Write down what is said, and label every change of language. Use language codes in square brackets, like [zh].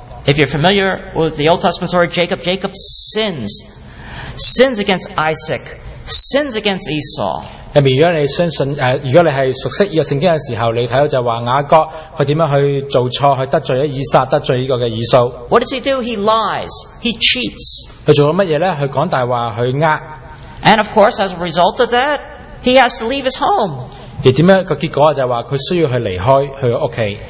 [en] If you're familiar with the Old Testament story, Jacob sins. Sins against Isaac. Sins against Esau. [zh] 如果你熟悉這個聖經的時候,你看到雅各如何去做錯,去得罪以撒,得罪以掃。 [en] What does he do? He lies. He cheats. [zh] 他做了什麼呢?他講謊,他騙。 [en] And of course, as a result of that, he has to leave his home. [zh] 而結果就是他需要離開他的家。